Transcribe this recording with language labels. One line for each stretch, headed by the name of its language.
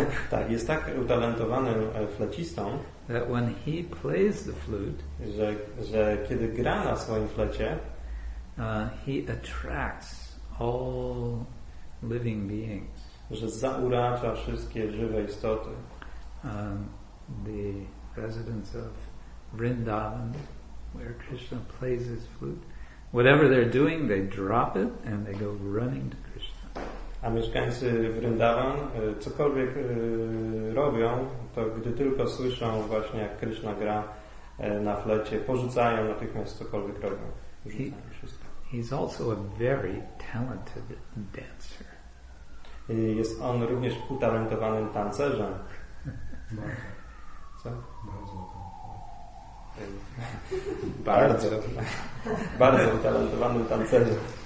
Polish: Tak, jest tak utalentowanym flecistą,
English: that when he plays the flute,
Polish: że kiedy gra na swoim flecie,
English: he attracts all living beings.
Polish: Że zaurawia wszystkie żywe istoty.
English: The residents of Vrindavan, where Krishna plays his flute, whatever they're doing, they drop it and they go running to Krishna.
Polish: A mieszkańcy Vrindavan cokolwiek robią, to gdy tylko słyszą właśnie jak Krishna gra na flecie, porzucają natychmiast cokolwiek robią.
English: He's also a very talented dancer.
Polish: Jest on również utalentowanym tancerzem. Bardzo. Co? Bardzo talentowany. bardzo, bardzo utalentowanym tancerzem.